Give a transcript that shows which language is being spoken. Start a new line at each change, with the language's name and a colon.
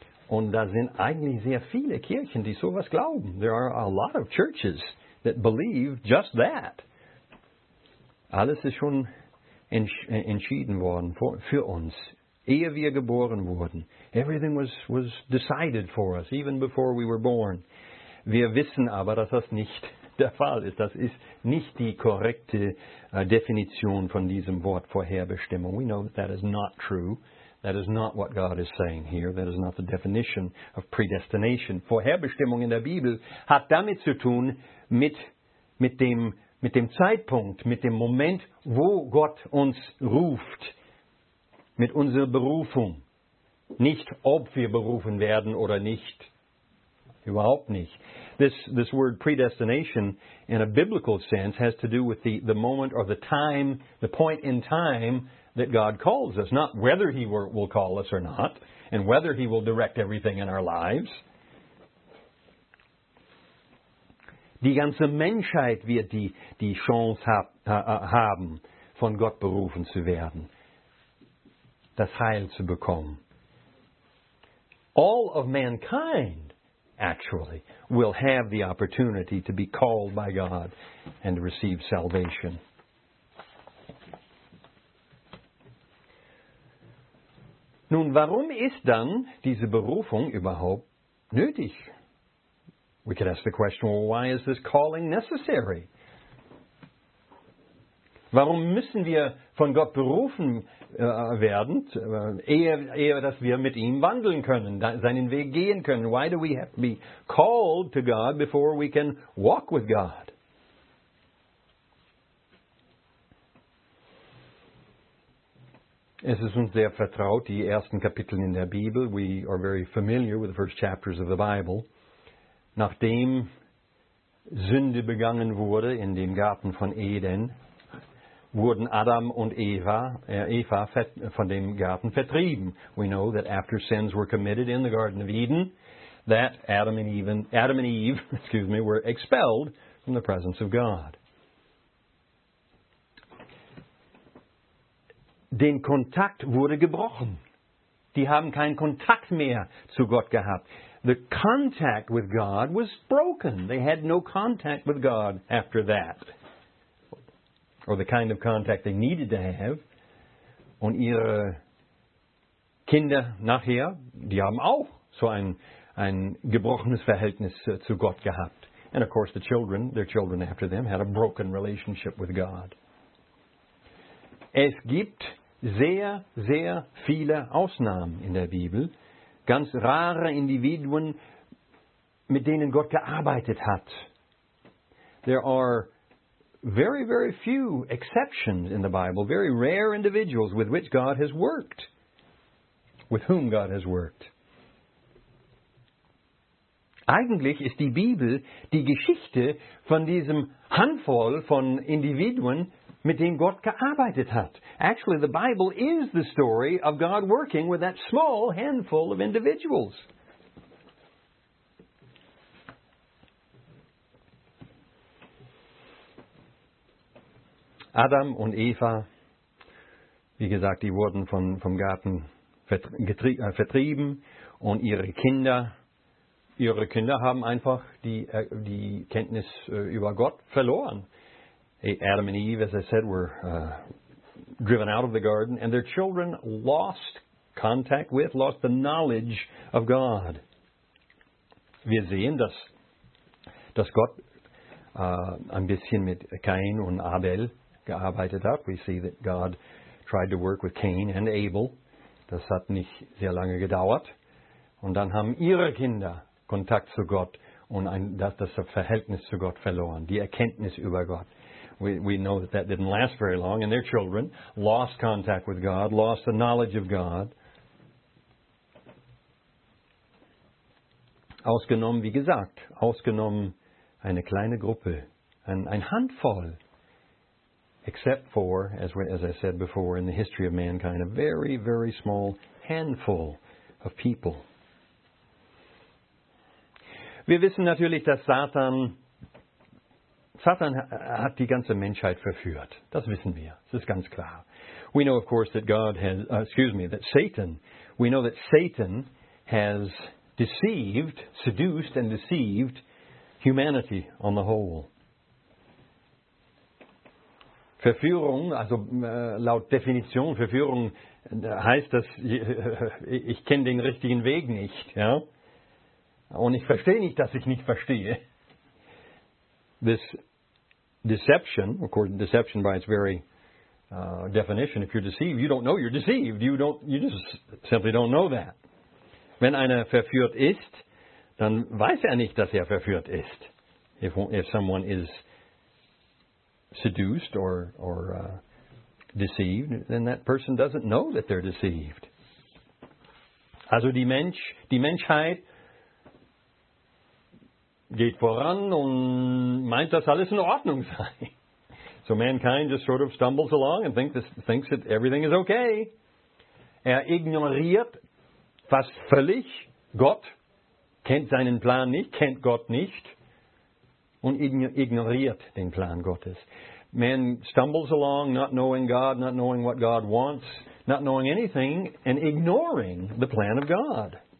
German: Und da sind eigentlich sehr viele Kirchen, die sowas glauben.
English: There are a lot of churches that believe just that.
German: Alles ist schon entschieden worden für uns, ehe wir geboren wurden.
English: Everything was decided for us, even before we were born.
German: Wir wissen aber, dass das nicht der Fall ist. Das ist nicht die korrekte Definition von diesem Wort Vorherbestimmung.
English: We know that that is not true. That is not what God is saying here. That is not the definition of predestination.
German: Vorherbestimmung in der Bibel hat damit zu tun mit dem Zeitpunkt, mit dem Moment, wo Gott uns ruft, mit unserer Berufung. Nicht, ob wir berufen werden oder nicht. Überhaupt nicht.
English: This word predestination in a biblical sense has to do with the moment or the time, the point in time that God calls us, not whether He will call us or not, and whether He will direct everything in our lives.
German: Die ganze Menschheit wird die Chance haben, von Gott berufen zu werden, das Heil zu bekommen.
English: All of mankind, actually, will have the opportunity to be called by God and receive salvation.
German: Nun, warum ist dann diese Berufung überhaupt nötig?
English: We could ask the question, well, why is this calling necessary?
German: Warum müssen wir von Gott berufen werden, ehe dass wir mit ihm wandeln können, seinen Weg gehen können?
English: Why do we have to be called to God before we can walk with God?
German: Es ist uns sehr vertraut, die ersten Kapitel in der Bibel.
English: We are very familiar with the first chapters of the Bible.
German: Nachdem Sünde begangen wurde in dem Garten von Eden, wurden Adam und Eva von dem Garten vertrieben.
English: We know that after sins were committed in the Garden of Eden, that Adam and Eve, were expelled from the presence of God.
German: Den Kontakt wurde gebrochen. Die haben keinen Kontakt mehr zu Gott gehabt.
English: The contact with God was broken. They had no contact with God after that. Or the kind of contact they needed to have.
German: Und ihre Kinder nachher, die haben auch so ein gebrochenes Verhältnis zu Gott gehabt.
English: And of course the children, their children after them, had a broken relationship with God.
German: Es gibt sehr, sehr viele Ausnahmen in der Bibel. Ganz rare Individuen, mit denen Gott gearbeitet hat.
English: There are very, very few exceptions in the Bible. Very rare individuals with which God has worked. With whom God has worked.
German: Eigentlich ist die Bibel die Geschichte von diesem Handvoll von Individuen, mit dem Gott gearbeitet hat.
English: Actually, the Bible is the story of God working with that small handful of individuals.
German: Adam und Eva, wie gesagt, die wurden vom Garten vertrieben und ihre Kinder haben einfach die Kenntnis über Gott verloren.
English: Adam and Eve, as I said, were driven out of the garden, and their children lost the knowledge of God.
German: Wir sehen, dass Gott ein bisschen mit Cain und Abel gearbeitet hat.
English: We see that God tried to work with Cain and Abel.
German: Das hat nicht sehr lange gedauert. Und dann haben ihre Kinder Kontakt zu Gott und das Verhältnis zu Gott verloren, die Erkenntnis über Gott.
English: We know that that didn't last very long, and their children lost contact with God, lost the knowledge of God.
German: Ausgenommen, wie gesagt, ausgenommen eine kleine Gruppe, ein Handvoll.
English: Except for, as I said before, in the history of mankind, a very, very small handful of people.
German: Wir wissen natürlich, dass Satan hat die ganze Menschheit verführt. Das wissen wir. Das ist ganz klar.
English: We know, of course, that Satan has seduced humanity on the whole.
German: Verführung, also laut Definition, Verführung heißt das, ich kenne den richtigen Weg nicht, ja? Und ich verstehe nicht, dass ich nicht verstehe.
English: This deception, of course, deception by its very definition, if you're deceived, you don't know you're deceived. You just simply don't know that.
German: Wenn einer verführt ist, dann weiß er nicht, dass er verführt ist.
English: If someone is seduced or deceived, then that person doesn't know that they're deceived.
German: Also die Menschheit geht voran und meint, dass alles in Ordnung sei.
English: So mankind just sort of stumbles along and thinks that everything is okay.
German: Er ignoriert fast völlig Gott, kennt seinen Plan nicht, kennt Gott nicht und ignoriert den Plan Gottes.
English: Man stumbles along, not knowing God, not knowing what God wants, not knowing anything, and ignoring the plan of God.